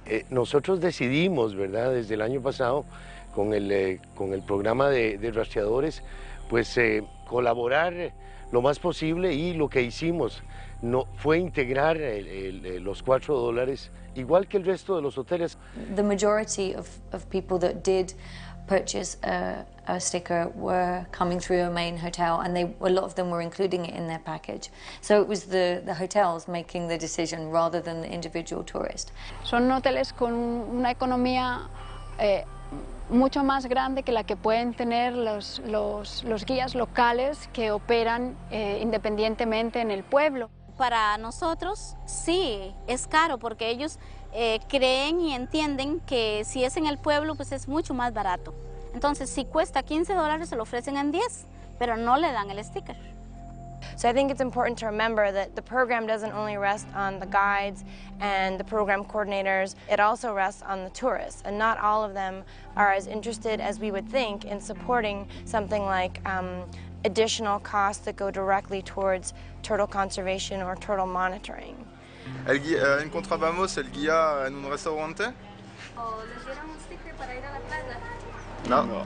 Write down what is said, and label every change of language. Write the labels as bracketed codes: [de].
[es] Nosotros decidimos, ¿verdad?, desde el año pasado, con el programa de rastreadores, pues colaborar lo más posible, y lo que hicimos no fue integrar los $4 igual que el resto de los hoteles. [en] The majority of people that did purchase a sticker were coming through a main hotel, and a lot of them were including it in their package. So it was the hotels making the decision rather than the individual tourist. [es] Son hoteles con una economía mucho más grande que la que pueden tener los guías locales que operan independientemente en el pueblo. Para nosotros, sí, es caro, porque ellos creen y entienden que si es en el pueblo, pues es mucho más barato. Entonces, si cuesta $15, se lo ofrecen en 10, pero no le dan el sticker. [en] So I think it's important to remember that the program doesn't only rest on the guides and the program coordinators, it also rests on the tourists. And not all of them are as interested as we would think in supporting something like additional costs that go directly towards turtle conservation or turtle monitoring. [es] El guía, en contrabamos, el guía en un restaurante. ¿Les dieron un sticker para ir a la playa?